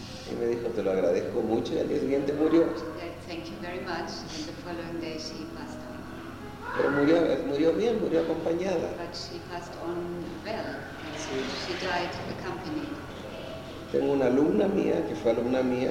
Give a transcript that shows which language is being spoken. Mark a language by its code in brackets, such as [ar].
[es] Y me dijo, te lo agradezco mucho, y al día siguiente murió. [en] Thank you very much, and the following day she passed on. [es] Pero murió bien, murió acompañada. [en] But she passed on well, she died accompanied. [es] Tengo una alumna mía, que fue alumna mía,